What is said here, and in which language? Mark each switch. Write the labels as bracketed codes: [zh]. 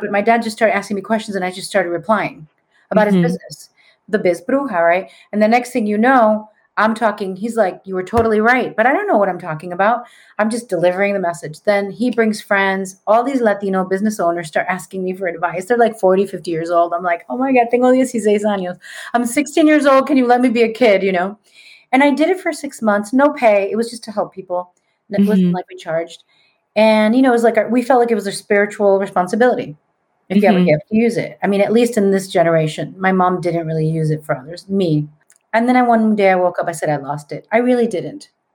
[en] But my dad just started asking me questions and I just started replying about his business, the Biz Bruja, right? And the next thing you know, I'm talking, he's like, you were totally right, but I don't know what I'm talking about. I'm just delivering the message. Then he brings friends, all these Latino business owners start asking me for advice. They're like 40, 50 years old. I'm like, oh my God, [es] tengo 16 años. [en] I'm 16 years old. Can you let me be a kid, you know? And I did it for 6 months, no pay. It was just to help people. It wasn't like we charged. And, you know, it was like, we felt like it was a spiritual responsibility. If you have to use it. I mean, at least in this generation, my mom didn't really use it for others, me. And then one day I woke up, I said, I lost it. I really didn't.